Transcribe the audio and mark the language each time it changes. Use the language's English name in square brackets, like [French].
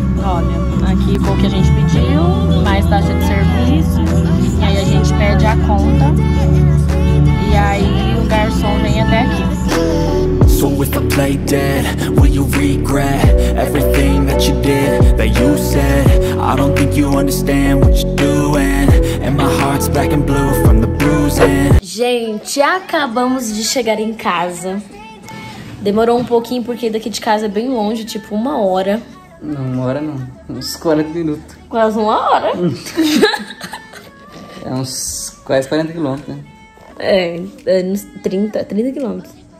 [Portuguese] Olha, aqui com o que a gente pediu, mais taxa de serviço. E aí a gente pede a conta. E aí o garçom vem até aqui. [English] So if I play dead, will you regret everything that you did, that you said? I don't think you understand what you're doing. And my heart's black and blue from the bruising. [Portuguese] Gente, acabamos de chegar em casa. Demorou um pouquinho porque daqui de casa é bem longe, tipo uma hora. Não, uma hora não. Uns 40 minutos. Quase uma hora. É uns quase 40 quilômetros, né? É, uns 30 quilômetros.